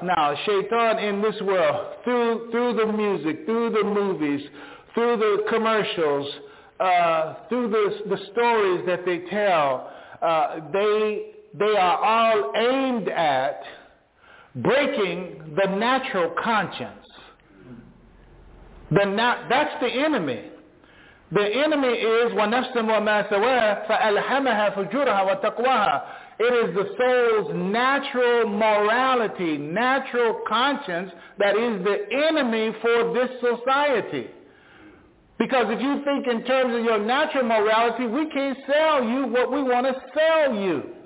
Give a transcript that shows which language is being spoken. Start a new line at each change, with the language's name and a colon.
English: Now, Shaitan in this world, through the music, through the movies, through the commercials, through the stories that they tell, they are all aimed at breaking the natural conscience. That's the enemy. The enemy is
Arabic: وَنَفْسٍ وَمَا سَوَاهَا فَأَلْحَمَهَا فُجُورَهَا وَتَقْوَاهَا.
English: It is the soul's natural morality, natural conscience, that is the enemy for this society. Because if you think in terms of your natural morality, we can't sell you what we want to sell you.